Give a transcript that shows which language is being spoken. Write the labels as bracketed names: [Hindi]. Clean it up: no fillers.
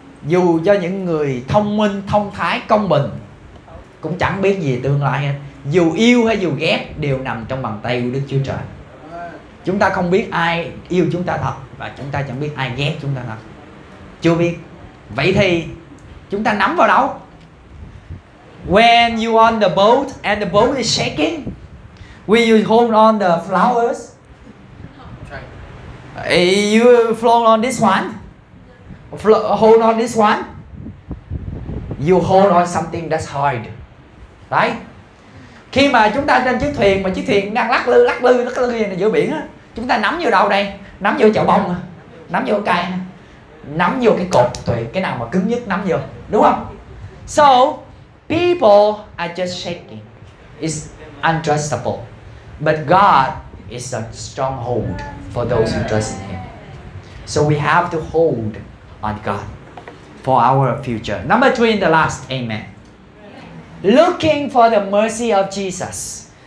[Vietnamese] Dù cho những người thông minh, thông thái, công bình cũng chẳng biết gì tương lai hết. Dù yêu hay dù ghét đều nằm trong bàn tay của Đức Chúa Trời. Chúng ta không biết ai yêu chúng ta thật và chúng ta chẳng biết ai ghét chúng ta thật. Chưa biết. Vậy thì chúng ta nắm vào đâu? [English] When you on the boat and the boat is shaking, will you hold on the flowers? You float on this one? Hold on this one? You hold on something that's hard. Right? [Vietnamese] Khi mà chúng ta trên chiếc thuyền mà chiếc thuyền đang lắc lư này giữa biển á, chúng ta nắm vô đâu đây? Nắm vô chậu bông, nắm vô cây, nắm vô cái cột tùy cái nào mà cứng nhất nắm vô, đúng không? [English] So people are just shaking, it's untrustable, but God is a stronghold for those who trust in Him. So we have to hold on God for our future. Number three and the last, amen. Looking for the mercy of Jesus.